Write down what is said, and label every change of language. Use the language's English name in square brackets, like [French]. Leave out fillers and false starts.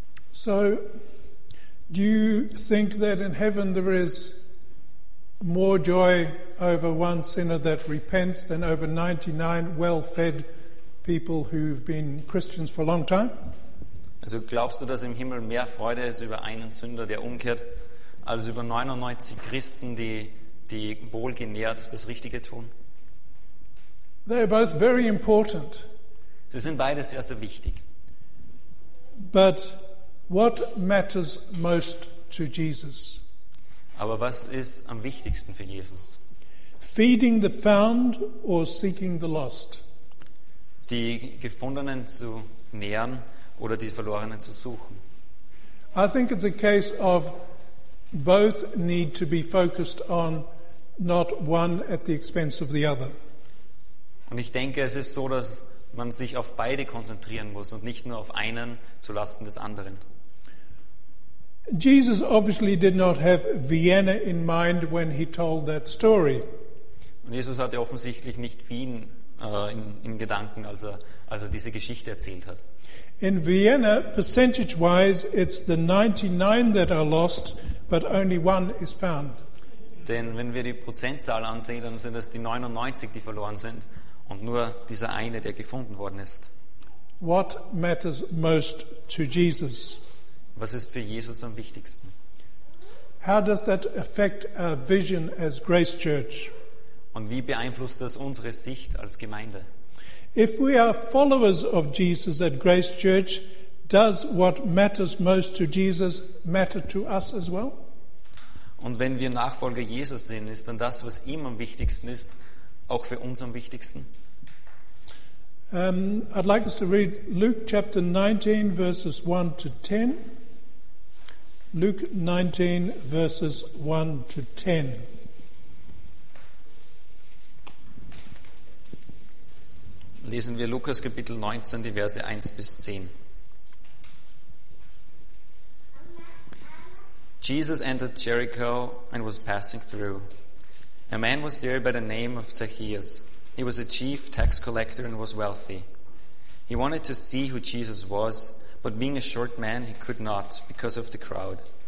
[English] So, do you think that in heaven there is more joy over one sinner that repents than over 99 well-fed people who've been Christians for a long time? [German] Also glaubst du, dass im Himmel mehr Freude ist über einen Sünder, der umkehrt, als über 99 Christen, die wohlgenährt das Richtige tun? [English] They are both very important. [German] Sie sind beide sehr, sehr wichtig. [English] But what matters most to Jesus? [German] Aber was ist am wichtigsten für Jesus? [English] Feeding the found or seeking the lost? [German] Die Gefundenen zu nähren oder die Verlorenen zu suchen? [English] I think it's a case of both need to be focused on, not one at the expense of the other. [German] Und ich denke, es ist so, dass man sich auf beide konzentrieren muss und nicht nur auf einen zu Lasten des anderen. [English] Jesus obviously did not have Vienna in mind when he told that story. [German] Und Jesus hatte offensichtlich nicht Wien in Gedanken, als er diese Geschichte erzählt hat. [English] In Vienna, percentage-wise, it's the 99 that are lost, but only one is found. [German] Denn wenn wir die Prozentzahl ansehen, dann sind es die 99, die verloren sind, und nur dieser eine, der gefunden worden ist. [English] What matters most to Jesus? [German] Was ist für Jesus am wichtigsten? [English] How does that affect our vision as Grace Church? [German] Und wie beeinflusst das unsere Sicht als Gemeinde? [English] If we are followers of Jesus at Grace Church, does what matters most to Jesus matter to us as well? [German] Und wenn wir Nachfolger Jesus sind, ist dann das, was ihm am wichtigsten ist, auch für uns am wichtigsten. [English] I'd like us to read Luke chapter 19, verses 1 to 10. Luke 19, verses 1 to 10. [German] Lesen wir Lukas Kapitel 19, die Verse 1 bis 10. [English] Jesus entered Jericho and was passing through. A man was there by the name of Zacchaeus. He was a chief tax collector and was wealthy. He wanted to see who Jesus was, but being a short man, he could not because of the crowd.